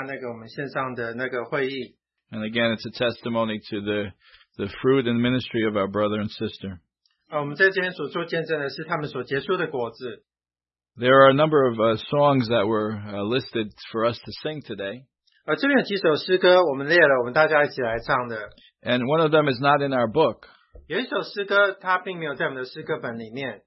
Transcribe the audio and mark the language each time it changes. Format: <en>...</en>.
<zh>我现在在这上面大概有400人参加那个我们线上的那个会议。</zh> <en>And again, it's a testimony to the fruit and ministry of our brother and sister.</en> <zh>我们在这边所做见证的是他们所结出的果子。</zh> <en>There are a number of songs that were listed for us to sing today.</en> <zh>这边有几首诗歌我们列了，我们大家一起来唱的。</zh> <en>And one of them is not in our book.</en> <zh>有一首诗歌它并没有在我们的诗歌本里面。</zh>